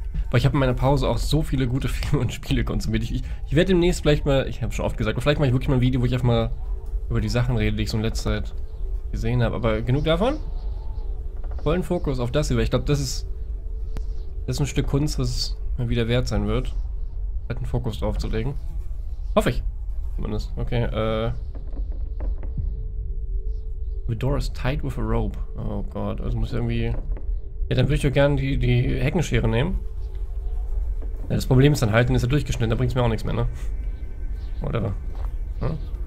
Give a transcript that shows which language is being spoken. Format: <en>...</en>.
<de>Weil ich habe in meiner Pause auch so viele gute Filme und Spiele konsumiert. Ich werde demnächst vielleicht mal, ich habe schon oft gesagt, vielleicht mache ich wirklich mal ein Video, wo ich einfach mal über die Sachen rede, die ich so in letzter Zeit gesehen habe. Aber genug davon? Vollen Fokus auf das hier, weil ich glaube, das ist ein Stück Kunst, was mal wieder wert sein wird. Einen Fokus drauf zu legen. Hoffe ich. Zumindest.</de> <en>Okay, The door is tied with a rope.</en> <de>Oh Gott, also muss ich irgendwie. Ja, dann würde ich doch gerne die Heckenschere nehmen. Ja, das Problem ist dann halt, dann ist er durchgeschnitten, da bringt es mir auch nichts mehr, ne? Whatever. Hm?</de>